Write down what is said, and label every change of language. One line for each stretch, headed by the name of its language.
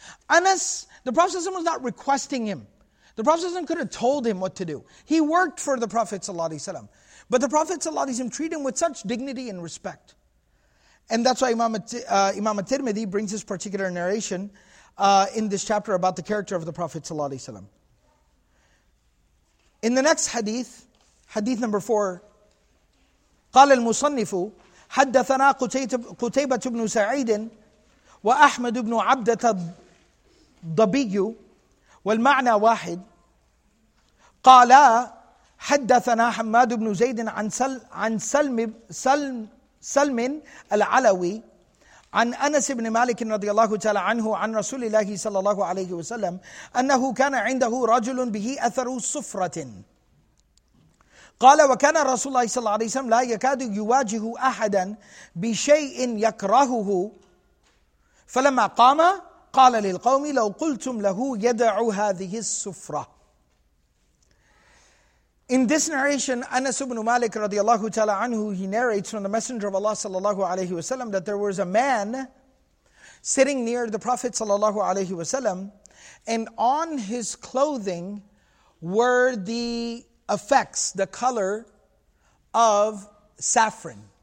English: Anas, the Prophet ﷺ was not requesting him. The Prophet ﷺ could have told him what to do. He worked for the Prophet ﷺ. But the Prophet ﷺ treated him with such dignity and respect. And that's why Imam At-Tirmidhi brings this particular narration in this chapter about the character of the Prophet ﷺ. In the next hadith, hadith number 4,
Arabic: قال المصنف حدثنا قتيبة بن سعيد وأحمد بن عبدة الضبي والمعنى واحد قالا حدثنا حماد بن زيد عن سلم العلوي عن أنس بن مالك رضي الله تعالى عنه عن رسول الله صلى الله عليه وسلم أنه كان عنده رجل به أثر صفرة قال وكان رسول الله صلى الله عليه وسلم لا يكاد يواجه أحدا بشيء يكرهه فلما قام قال للقوم لو قلتم له يدع هذه السفرة.
English: In this narration, Anas ibn Malik radiallahu ta'ala anhu, he narrates from the Messenger of Allah sallallahu alayhi wa sallam that there was a man sitting near the Prophet sallallahu alayhi wa sallam, and on his clothing were the effects, the color of saffron.